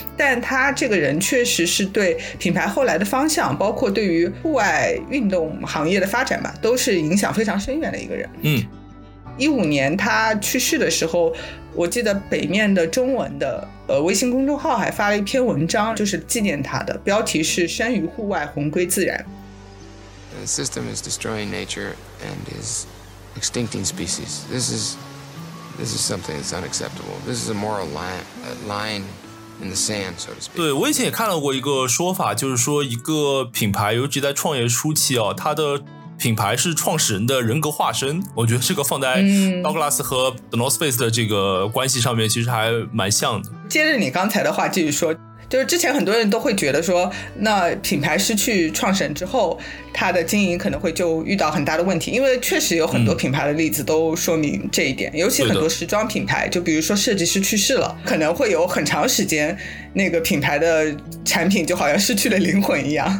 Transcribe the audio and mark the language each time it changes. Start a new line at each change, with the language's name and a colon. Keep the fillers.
Chinese: 但他这个人确实是对品牌后来的方向，包括对于户外运动行业的发展吧，都是影响非常深远的一个人。嗯。一五年他去世的时候，我记得北面的中文的呃微信公众号还发了一篇文章，就是纪念他的，标题是“生于户外，魂归自然 ”。
English: The system is destroying nature and is, extincting species. This is, this is something that's unacceptable. This is a moral line, line, in the sand, so to speak.
Chinese: 对，我以前也看到过一个说法，就是说一个品牌，尤其在创业初期啊，它的。品牌是创始人的人格化身，我觉得这个放在 Douglas 和 The North Face 的这个关系上面，其实还蛮像的。接着你刚才的话继续说。就是之前很多人都会觉得说，那品牌失去创始人之后，它的经营可能会就遇到很大的问题，因为确实有很多品牌的例子都说明这一点，嗯、尤其很多时装品牌，就比如说设计师去世了，可能会有很长时间，那个品牌的产品就好像失去了灵魂一样，